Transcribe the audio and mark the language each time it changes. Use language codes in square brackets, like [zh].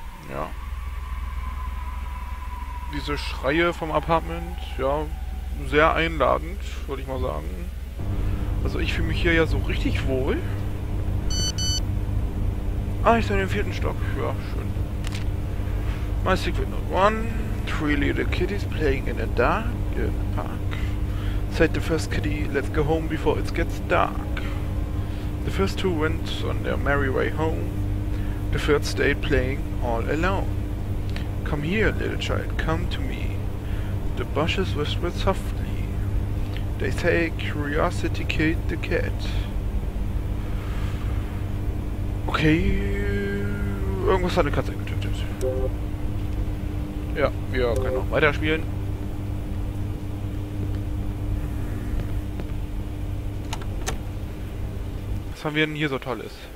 [de] Ja. Diese Schreie vom Apartment, ja, sehr einladend, würde ich mal sagen. Also ich fühle mich hier ja so richtig wohl. Ah, ich bin im vierten Stock. Ja, schön. [en] My secret number one. Three little kitties playing in the dark in the park. Said the first kitty, let's go home before it gets dark. The first two went on their merry way home. The third stayed playing all alone. Come here, little child, come to me. The bushes whispered softly. They say curiosity killed the cat. [de] Okay, irgendwas hat eine Katze getötet. Ja, wir können noch weiterspielen. Was haben wir denn hier so Tolles?